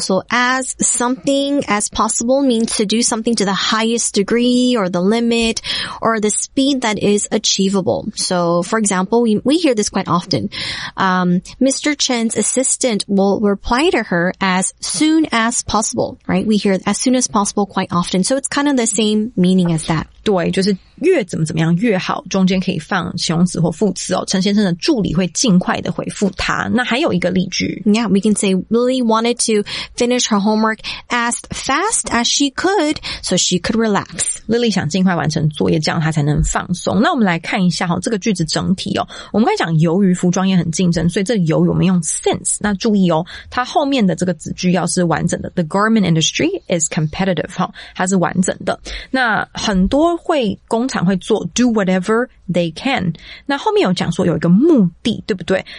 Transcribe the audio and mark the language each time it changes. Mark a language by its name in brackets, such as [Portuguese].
[English] So as something as possible means to do something to the highest degree or the limit or the speed that is achievable. So for example, we hear this quite often. Mr. Chen's assistant will reply to her as soon as possible, right? We hear as soon as possible quite often. So it's kind of the same meaning as that. [Chinese] 对，就是越怎么怎么样越好，中间可以放形容词或副词哦。陈先生的助理会尽快的回复他。那还有一个例句 [English] ，Yeah, we can say Lily wanted to finish her homework as fast as she could, so she could relax. [Chinese] Lily 想尽快完成作业，这样她才能放松。那我们来看一下哈、哦，这个句子整体哦。我们刚才讲由于服装也很竞争，所以这由于我们用 since。那注意哦，它后面的这个子句要是完整的 ， [English] The garment industry is competitive [Chinese] 哈、哦，它是完整的。那很多。会工厂会做 [English] do whatever they can, [Chinese] 那后面有讲说有一个目的，对不对？